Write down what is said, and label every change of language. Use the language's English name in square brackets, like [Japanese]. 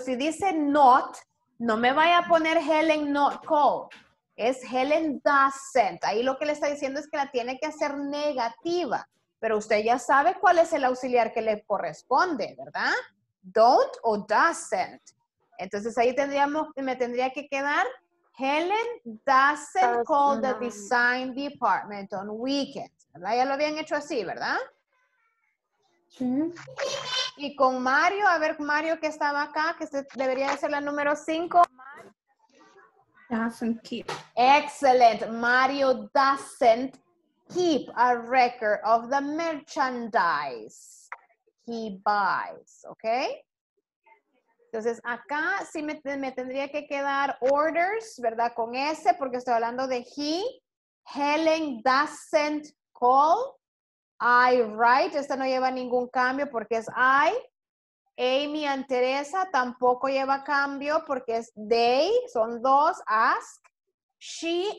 [Spanish] Si dice not, no me vaya a poner Helen not call. Es Helen doesn't. Ahí lo que le está diciendo es que la tiene que hacer negativa. Pero usted ya sabe cuál es el auxiliar que le corresponde, ¿verdad? Don't o doesn't. Entonces ahí me tendría que quedar... [English] Helen doesn't call the design department on weekends. [Spanish] ¿Verdad? Ya lo habían hecho así, ¿verdad? Sí. Y con Mario, a ver, Mario, que estaba acá, que debería ser la número 5. [English] Doesn't keep. Excellent. Mario doesn't keep a record of the merchandise he buys. Okay. [Spanish] Entonces, acá sí me tendría que quedar orders, ¿verdad? Con S, porque estoy hablando de he. [English] Helen doesn't call. I write. [Spanish] Esta no lleva ningún cambio porque es I. Amy and Teresa tampoco lleva cambio porque es they. Son dos. Ask. She.